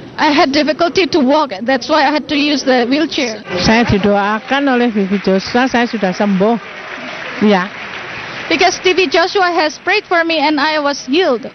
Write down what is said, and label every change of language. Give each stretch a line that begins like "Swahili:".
English: I had difficulty to walk, that's why I had to use the wheelchair.
Indonesian: Saya didoakan oleh Bibi Joshua, saya sudah sembuh.
English: Yeah. Because TV Joshua has prayed for me and I was healed.